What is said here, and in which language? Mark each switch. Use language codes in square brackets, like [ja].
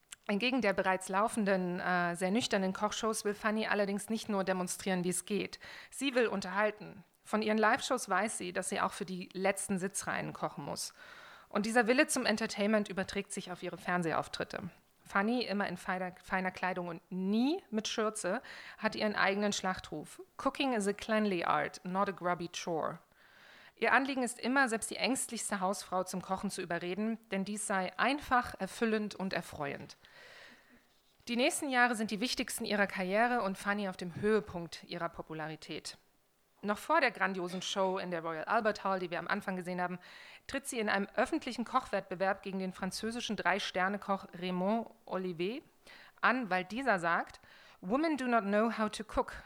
[de] Entgegen der bereits laufenden, sehr nüchternen Kochshows will Fanny allerdings nicht nur demonstrieren, wie es geht. Sie will unterhalten. Von ihren Live-Shows weiß sie, dass sie auch für die letzten Sitzreihen kochen muss. Und dieser Wille zum Entertainment überträgt sich auf ihre Fernsehauftritte. Fanny, immer in feiner Kleidung und nie mit Schürze, hat ihren eigenen Schlachtruf. [en] Cooking is a cleanly art, not a grubby chore. [de] Ihr Anliegen ist immer, selbst die ängstlichste Hausfrau zum Kochen zu überreden, denn dies sei einfach, erfüllend und erfreuend. Die nächsten Jahre sind die wichtigsten ihrer Karriere und Fanny auf dem Höhepunkt ihrer Popularität. Noch vor der grandiosen Show in der Royal Albert Hall, die wir am Anfang gesehen haben, tritt sie in einem öffentlichen Kochwettbewerb gegen den französischen Drei-Sterne-Koch Raymond Olivier an, weil dieser sagt, [en] "Women do not know how to cook.